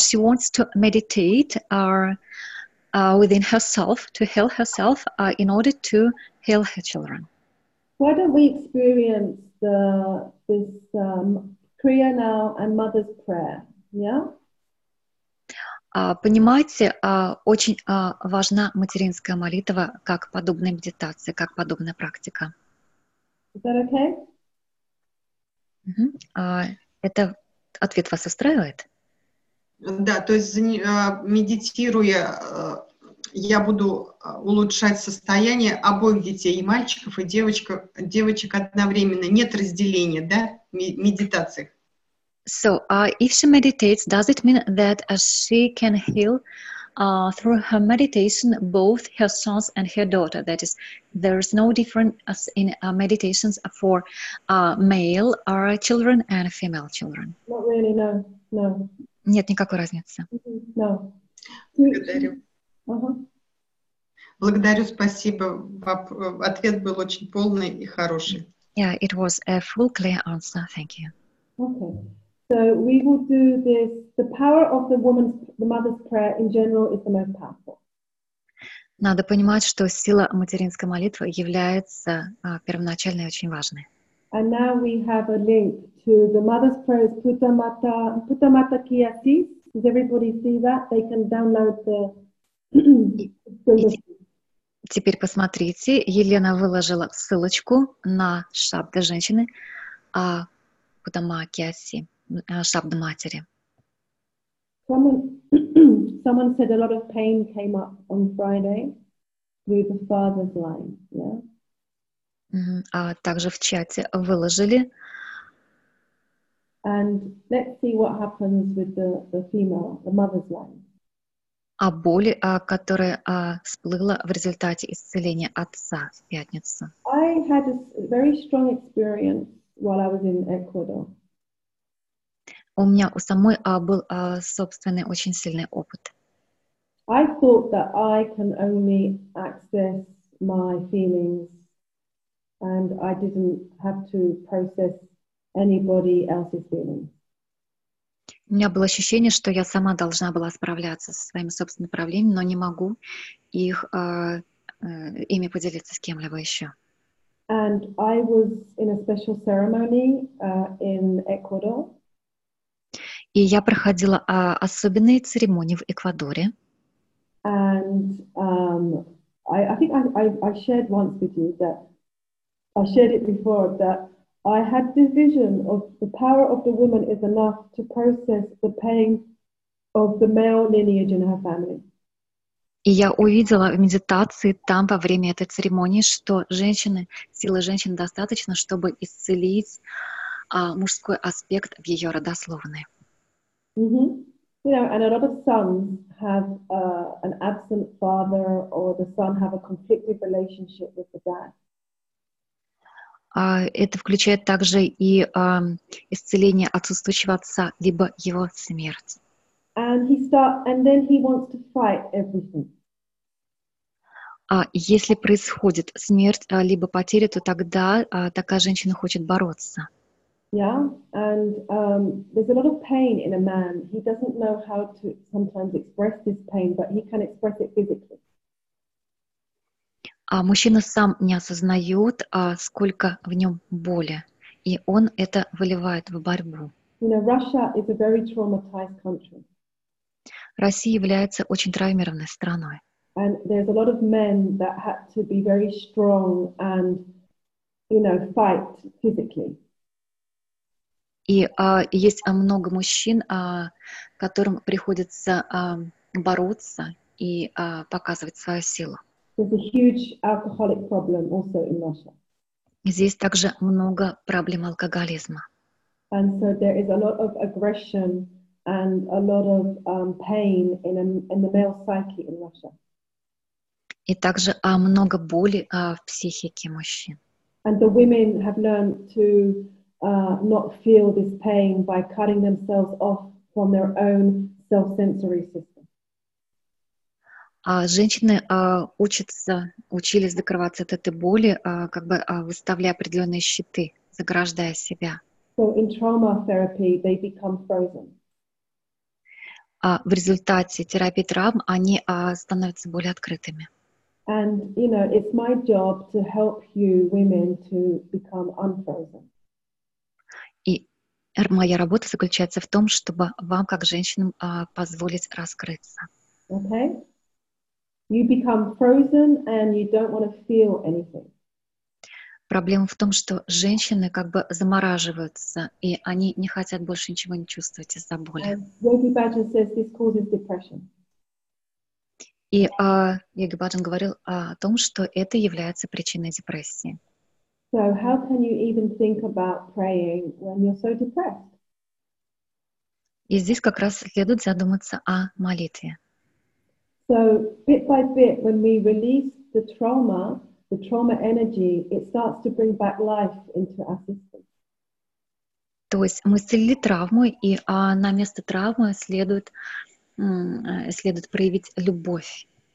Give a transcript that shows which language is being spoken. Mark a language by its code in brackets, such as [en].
[en] She wants to meditate within herself, to heal herself in order to heal her children. Why don't we experience Kriya now and mother's prayer, yeah? [ru] Понимаете, очень важна материнская молитва как подобная медитация, как подобная практика. [en] Is that okay? Mm-hmm. [ru] Это ответ вас устраивает? Да, то есть медитируя, я буду улучшать состояние обоих детей, и мальчиков, и девочек одновременно. Нет разделения, да, медитациях. [en] So, if she meditates, does it mean that she can heal through her meditation both her sons and her daughter? That is, there is no difference in meditations for male or children and female children. Not really, no. [ru] Нет никакой разницы. [en] Mm-hmm. No. [ru] Благодарю. Uh-huh. Благодарю, спасибо. Ответ был очень полный и хороший. [en] Yeah, it was a full clear answer. Thank you. Okay. So we will do this. The power of the mother's prayer in general is the most powerful. [ru] Надо понимать, что сила материнской молитвы является первоначальной и очень важной. [en] And now we have a link to the mother's prayer, Puttamata Kiyati. Does everybody see that? They can download the [ru] теперь посмотрите, Елена выложила ссылочку на шабда женщины Кутамакиаси, шабда матери. [en] Someone said a lot of pain came up on Friday through the father's line, [ru] А также в чате выложили. [en] And let's see what happens with the female, the mother's line. [ru] О боли, которая всплыла в результате исцеления отца в пятницу. [en] I had a very strong experience while I was in Ecuador. [ru] У меня у самой был собственный очень сильный опыт. [en] I thought that I can only access my feelings and I didn't have to process anybody else's feelings. [ru] У меня было ощущение, что я сама должна была справляться со своими собственными проблемами, но не могу их ими поделиться с кем-либо еще. [en] And I was in a special ceremony in Ecuador. [ru] И я проходила особенные церемонии в Эквадоре. [en] And I think I shared once with you that I shared it before that I had the vision of the power of the woman is enough to process the pain of the male lineage in her family. [ru] И я увидела в медитации там во время этой церемонии, что женщины, сила женщин достаточно, чтобы исцелить мужской аспект в ее родословной. Mm-hmm. [en] You know, and a lot of sons have an absent father, or the son have a conflicted relationship with the dad. [ru] Это включает также и исцеление отсутствующего отца, либо его смерть. [en] And he start, and then he wants to fight everything. [ru] Если происходит смерть либо потеря, то тогда такая женщина хочет бороться. [en] Yeah, and there's a lot of pain in a man. He doesn't know how to sometimes express this pain, but he can express it physically. [ru] А мужчина сам не осознает, сколько в нем боли, и он это выливает в борьбу. [en] You know, Russia is a very traumatized country. [ru] Россия является очень травмированной страной. [en] And there's a lot of men that had to be very strong and, you know, fight physically. [ru] И есть много мужчин, которым приходится бороться и показывать свою силу. [en] There's a huge alcoholic problem also in Russia. [ru] Здесь также много проблем алкоголизма. [en] And so there is a lot of aggression and a lot of pain in the male psyche in Russia. [ru] И также много боли в психике мужчин. [en] And the women have learned to not feel this pain by cutting themselves off from their own self-sensory system. [ru] Женщины учились закрываться от этой боли, выставляя определенные щиты, заграждая себя. [en] So in trauma therapy, they become frozen. [ru] В результате терапии травм они становятся более открытыми. [en] And you know, it's my job to help you women to become unfrozen. [ru] Моя работа заключается в том, чтобы вам, как женщинам, позволить раскрыться. [en] Okay. You become frozen and you don't want to feel anything. [ru] Проблема в том, что женщины замораживаются, и они не хотят больше ничего не чувствовать из-за боли. [en] Yogi Bhajan says this causes depression. [ru] И Йоги Баджан говорил о том, что это является причиной депрессии. [en] So how can you even think about praying when you're so depressed? [ru] И здесь как раз следует задуматься о молитве. [en] So bit by bit, when we release the trauma energy, it starts to bring back life into our system. [ru] То есть мы исцелили травму, и на место травмы следует проявить любовь.